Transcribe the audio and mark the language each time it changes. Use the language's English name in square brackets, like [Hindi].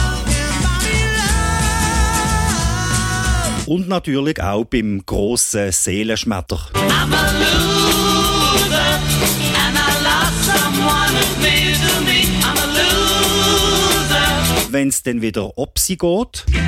[English] Can't buy me love. [German] Und natürlich auch beim grossen Seelenschmetter. [English] I'm a loser and I lost someone who made me. I'm a loser. [German] Wenn es dann wieder ob sie geht.